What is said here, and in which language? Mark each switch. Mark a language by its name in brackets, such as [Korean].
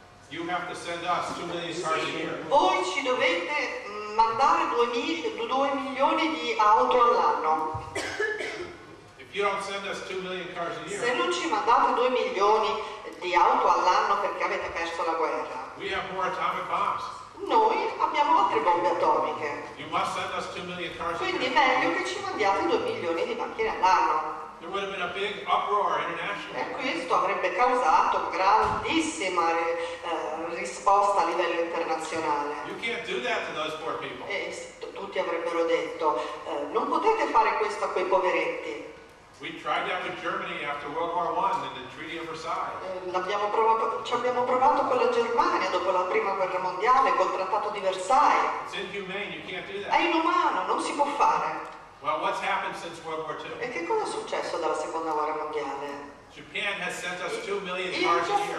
[English] You have to send us 2 million cars a year." [Italian] Voi ci dovete mandare 2 milioni di auto all'anno. [English] You don't send us 2 million cars a year. [Italian] Se non ci mandate 2 milioni di auto all'anno perché avete perso la guerra, [English] we have more atomic bombs. [Italian] Noi abbiamo altre bombe atomiche. [English] You must send us 2 million cars. [Italian] Quindi è meglio che ci mandiate 2 milioni di macchine all'anno. [English] There would have been a big uproar internationally. [Italian] E questo avrebbe causato grandissima risposta a livello internazionale. [English] You can't do that to those poor people. [Italian] E tutti avrebbero detto, non potete fare questo a quei poveretti. [English] We tried that with Germany after World War I and the Treaty of Versailles. [Italian] Ci abbiamo provato con la Germania dopo la Prima Guerra Mondiale col Trattato di Versailles. [English] It's inhumane, you can't do that. [Italian] È inumano, non si può fare. [English] Well, what's happened since World War II? [Italian] E che cosa è successo dalla Seconda Guerra Mondiale? [English] Japan has sent us 2 million cars a year.